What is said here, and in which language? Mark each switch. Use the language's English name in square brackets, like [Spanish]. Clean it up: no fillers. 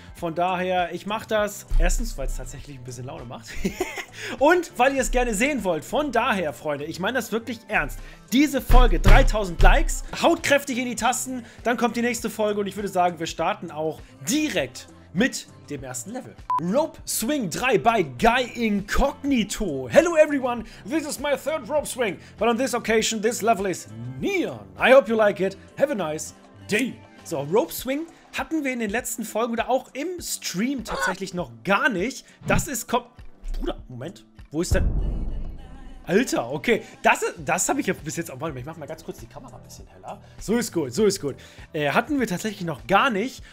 [German] Von daher, ich mache das erstens, weil es tatsächlich ein bisschen Laune macht. Und weil ihr es gerne sehen wollt. Von daher, Freunde, ich meine das wirklich ernst. Diese Folge, 3000 Likes, haut kräftig in die Tasten, dann kommt die nächste Folge und ich würde sagen, wir starten auch direkt mit dem ersten Level. [English] Rope Swing 3 by Guy Incognito. Hello everyone, this is my third Rope Swing, but on this occasion, this level is neon. I hope you like it, have a nice day. [German] So, Rope Swing hatten wir in den letzten Folgen oder auch im Stream tatsächlich noch gar nicht. Das ist Bruder, Moment, wo ist denn... Alter, okay. Das habe ich ja bis jetzt auch. Warte mal, ich mache mal ganz kurz die Kamera ein bisschen heller. So ist gut, so ist gut. Hatten wir tatsächlich noch gar nicht.